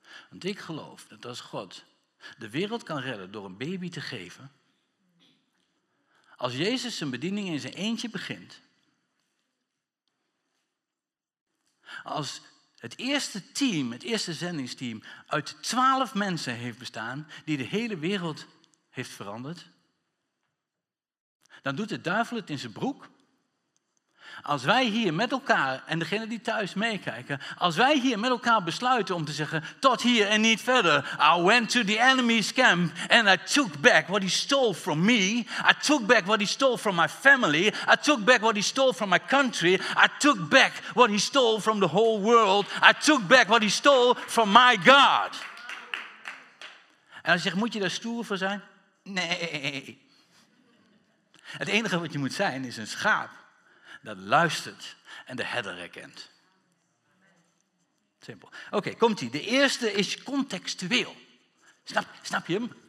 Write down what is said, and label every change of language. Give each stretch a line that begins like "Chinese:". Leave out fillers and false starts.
Dutch: Want ik geloof dat als God de wereld kan redden door een baby te geven, als Jezus zijn bediening in zijn eentje begint, als het eerste team, het eerste zendingsteam uit 12 mensen heeft bestaan die de hele wereld heeft veranderd, dan doet de duivel het in zijn broek. Als wij hier met elkaar, en degene die thuis meekijken, als wij hier met elkaar besluiten om te zeggen, tot hier en niet verder.
English: I went to the enemy's camp and I took back what he stole from me. I took back what he stole from my family. I took back what he stole from my country. I took back what he stole from the whole world. I took back what he stole from my God.
Dutch: En als je zegt, moet je daar stoer voor zijn? Nee. Het enige wat je moet zijn is een schaap dat luistert en de herder herkent. Simpel. Oké, komt-ie. De eerste is contextueel. Snap je hem?